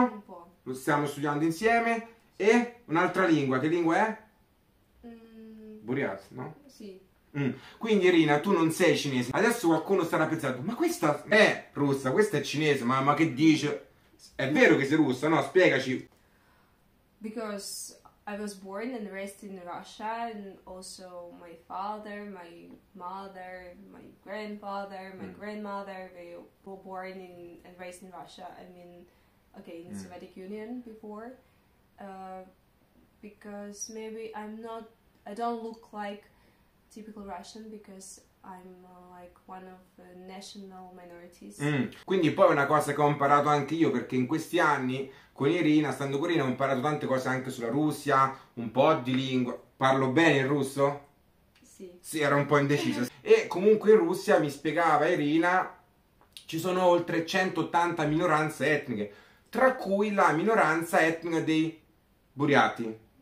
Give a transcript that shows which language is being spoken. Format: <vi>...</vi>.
<it>un po'. Lo stiamo studiando insieme, e un'altra lingua, che lingua è? Buryat, no? Sì. Quindi Irina, tu non sei cinese, adesso qualcuno starà pensando, ma questa è russa, questa è cinese, ma che dice? È vero che sei russa, no? Spiegaci.</it> <en>Because I was born and raised in Russia, and also my father, my mother, my grandfather, my grandmother, they were born in and raised in Russia, in the Soviet Union before. Because maybe I don't look like typical Russian, because I'm like one of the national minorities.</en> <it>Quindi poi una cosa che ho imparato anche io, perché in questi anni con Irina, stando con Irina, ho imparato tante cose anche sulla Russia, un po' di lingua. Parlo bene il russo? Sì. Sì, era un po' indecisa. E comunque in Russia, mi spiegava Irina, ci sono oltre 180 minoranze etniche, tra cui la minoranza etnica dei Buryati.</it>